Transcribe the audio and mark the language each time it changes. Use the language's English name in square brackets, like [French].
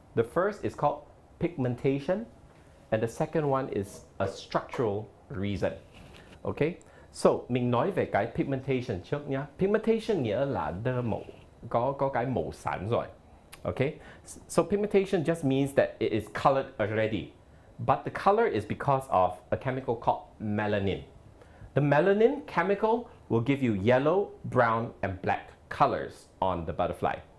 [English] The first is called pigmentation, and the second one is a structural reason. Okay. [Vietnamese] So, mình nói về cái pigmentation trước nhá. Pigmentation nghĩa là đơ màu, có cái màu sẵn rồi. Okay? [English] So, pigmentation just means that it is colored already. But the color is because of a chemical called melanin. The melanin chemical will give you yellow, brown, and black colors on the butterfly.